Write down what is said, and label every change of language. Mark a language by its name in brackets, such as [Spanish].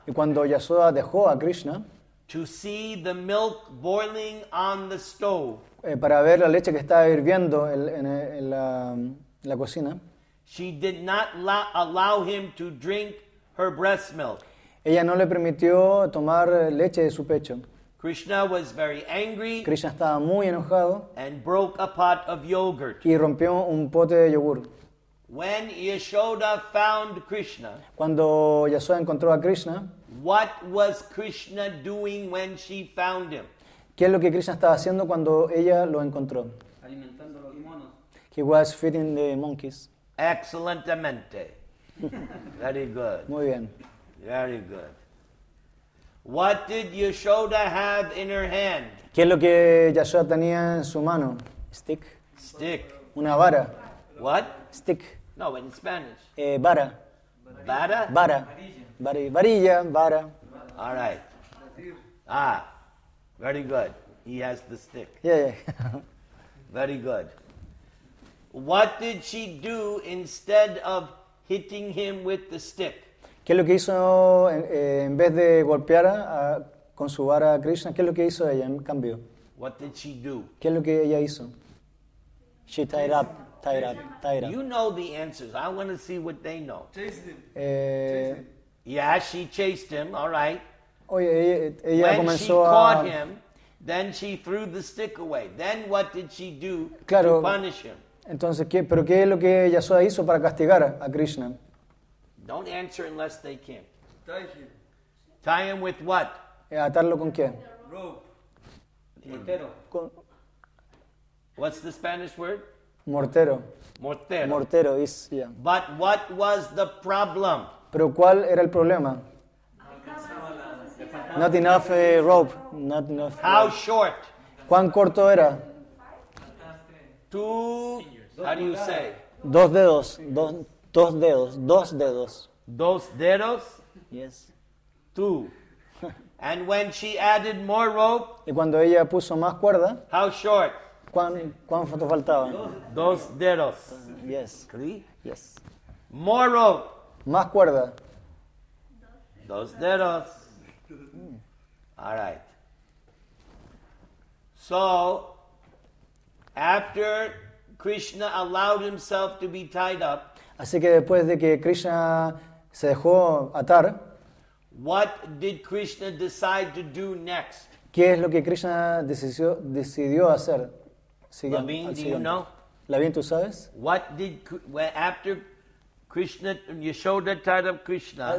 [Spanish] y cuando Yashoda dejó a Krishna, [English] to see the milk boiling on the stove, [Spanish] para ver la leche que estaba hirviendo en la cocina, [English] she did not allow him to drink her breast milk. [Spanish] Ella no le permitió tomar leche de su pecho. [English] Krishna was very angry. [Spanish] Krishna estaba muy enojado. [English] And broke a pot of yogurt. [Spanish] Y rompió un pote de yogur. [English] When Yashoda found Krishna, [Spanish] cuando Yashoda encontró a Krishna, [English] what was Krishna doing when she found him? [Spanish] ¿Qué es lo que Krishna estaba haciendo cuando ella lo encontró? Alimentando los monos. [English] He was feeding the monkeys. [Spanish] Excelentemente. [English] Very good. [Spanish] Muy bien. [English] Very good. What did Yashoda have in her hand? [Spanish] ¿Qué es lo que Yashoda tenía en su mano? [English] Stick. Stick. [Spanish] Una vara. [English] What? Stick. No, in Spanish. [Spanish] Vara. Vara? Vara. Varilla. Varilla, vara. [English] All right. Ah, very good. He has the stick. Yeah, yeah. Very good. What did she do instead of hitting him with the stick? [Spanish] ¿Qué es lo que hizo en vez de golpear con su vara a Krishna? ¿Qué es lo que hizo ella en cambio? [English] What did she do? [Spanish] ¿Qué es lo que ella hizo? [English] She tied up, tied up, tied up. You know the answers. I want to see what they know. Chased him. Yeah, she chased him, all right. [Spanish] Oye, ella [English] when [Spanish] comenzó [English] she caught a... him, then she threw the stick away. Then what did she do [Spanish] claro, [English] to punish him? [Spanish] Entonces, ¿qué, pero qué es lo que Yashoda hizo para castigar a Krishna? [English] Don't answer unless they can. Tie him. Tie him with what? [Spanish] ¿Atarlo con qué? [English] Rope. [Spanish] Mortero. [English] What's the Spanish word? [Spanish] Mortero. Mortero. [English] Mortero is, yeah. But what was the problem? [Spanish] ¿Pero cuál era el problema? [English] Not enough rope. Not enough. How rope. Short? [Spanish] ¿Cuán corto era? [English] Two, how do you say? [Spanish] Dos dedos. Dos dedos. Dos dedos. Dos dedos? [English] Yes. Two. And when she added more rope? [Spanish] Y cuando ella puso más cuerda? [English] How short? [Spanish] ¿Cuán foto faltaba? Dos dedos. [English] Yes. Three? Yes. More rope. [Spanish] Más cuerda. Dos dedos. [English] All right. So, after Krishna allowed himself to be tied up, [Spanish] así que después de que Krishna se dejó atar, [English] what did Krishna decide to do next? [Spanish] ¿Qué es lo que Krishna decidió hacer? [English] Lavin, do you know? [Spanish] Lavin, ¿tú sabes? [English] What did after Krishna Yashoda tied up Krishna?